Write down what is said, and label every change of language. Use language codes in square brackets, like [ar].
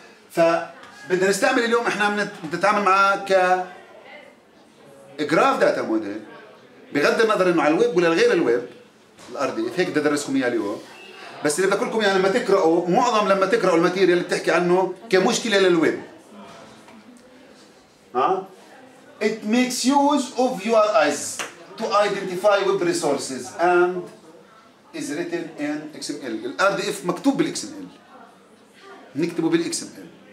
[ar] ف بدنا نستعمل اليوم احنا بنتعامل معاه ك جراف داتا موديل، بغض النظر انه على الويب ولا غير الويب. الار دي اف هيك بدي ادرسكم اياه اليوم، بس اللي بدي اقول لكم اياه لما تقراوا، معظم لما تقراوا الماتيريال اللي بتحكي عنه كمشكله للويب، [en] It makes use of your eyes to identify web resources and is written in XML. [ar] RDF مكتوب بال XML. نكتبه بال XML.